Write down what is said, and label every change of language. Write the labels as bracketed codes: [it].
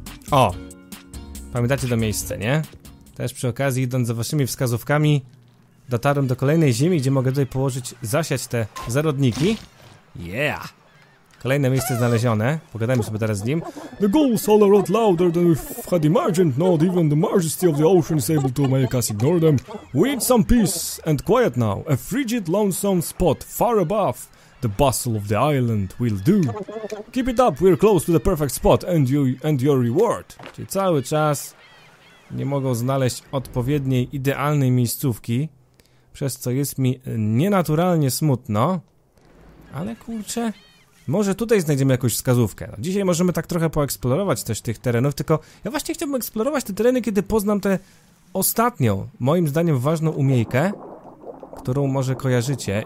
[pl] O. Pamiętacie to miejsce, nie? Też przy okazji, idąc za waszymi wskazówkami, dotarłem do kolejnej ziemi, gdzie mogę tutaj położyć, zasiać te zarodniki. Yeah! Kolejne miejsce znalezione. Pogadajmy sobie teraz z nim. [en] The gulls holler out louder than we had imagined. Not even the majesty of the ocean is able to make us ignore them. We need some peace and quiet now. A frigid, lonesome spot far above the bustle of the island will do. Keep it up, we're close to the perfect spot and you and your reward. [pl] Czyli cały czas nie mogą znaleźć odpowiedniej, idealnej miejscówki, przez co jest mi nienaturalnie smutno. Ale kurczę, może tutaj znajdziemy jakąś wskazówkę. No, dzisiaj możemy tak trochę poeksplorować też tych terenów, tylko ja właśnie chciałbym eksplorować te tereny, kiedy poznam tę ostatnią, moim zdaniem ważną umiejkę, którą może kojarzycie.